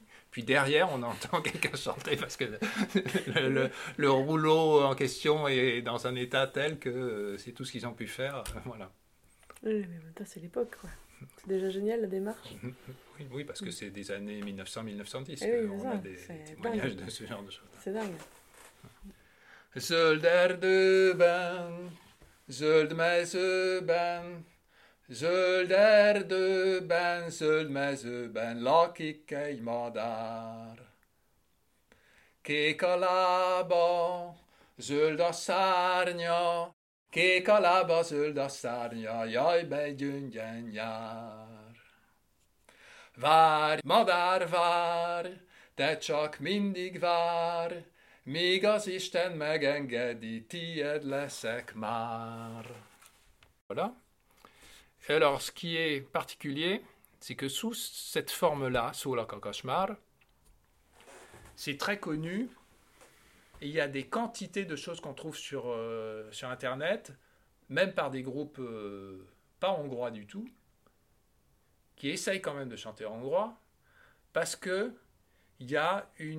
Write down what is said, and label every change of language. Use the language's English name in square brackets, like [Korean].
[French] Puis derrière, on entend quelqu'un chanter parce que le rouleau en question est dans un état tel que c'est tout ce qu'ils ont pu faire. Voilà. Oui, mais en même temps, c'est l'époque, quoi. C'est déjà génial, la démarche. Oui, oui, parce que c'est des années 1900-1910 qu'on a des témoignages de ce genre de choses. C'est dingue. [Hungarian] Zöld erdőben, zöld mezőben, zöld erdőben, zöld mezőben lakik egy madár. Kék a lába, zöld a szárnya, kék a lába, zöld a szárnya, jaj, begyöngyen jár. Várj, madár, várj, te csak mindig várj, míg az Isten megengedi, tied leszek már. [French] Voilà. Et alors, ce qui est particulier, c'est que sous cette forme-là, sous la kakashmar, c'est très connu. Il y a des quantités de choses qu'on trouve sur Internet, même par des groupes pas hongrois du tout, qui essayent quand même de chanter hongrois, parce que il y a